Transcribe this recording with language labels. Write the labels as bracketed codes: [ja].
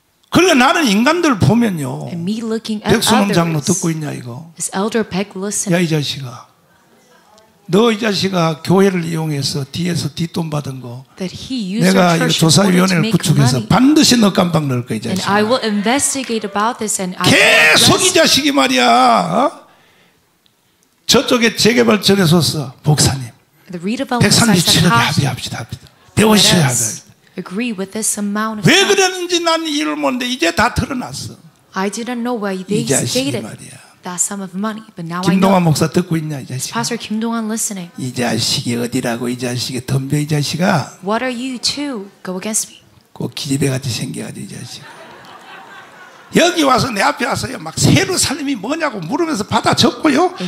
[ko] 그러니까 나는 인간들 보면요. 백수놈 장로 듣고 있냐 이거? [en] Is Elder Peck listening? [ko] 야 이 자식아. 너 이 자식아 교회를 이용해서 뒤에서 뒷돈 받은 거 내가 조사위원회를 구축해서 반드시 너 깜빡 넣을 거야 이 자식아. [en] And I will investigate about this and I [ko] 계속 이 자식이 말이야. 저쪽에 재개발 전해줬어 목사님. 137억에 합의합시다. 배우셔야 합니다. [en] Agree with this amount of. [ko] 왜 그랬는지 난 이유를 모르는데 이제 다 드러났어. [en] I didn't know why they stated that sum of money, but now I know. [ko] 김동완 목사 듣고 있냐 이 자식? [en] Pastor Kim Dong-hwan listening. [ko] 이 자식이 어디라고 이 자식이 덤벼 이 자식아. [en] What are you two? Go against me. [ko] 그 기집애 같이 생겨가지고 이 자식. 여기 와서 내 앞에 와서요 막 새로 살림이 뭐냐고 물으면서 받아 적고요.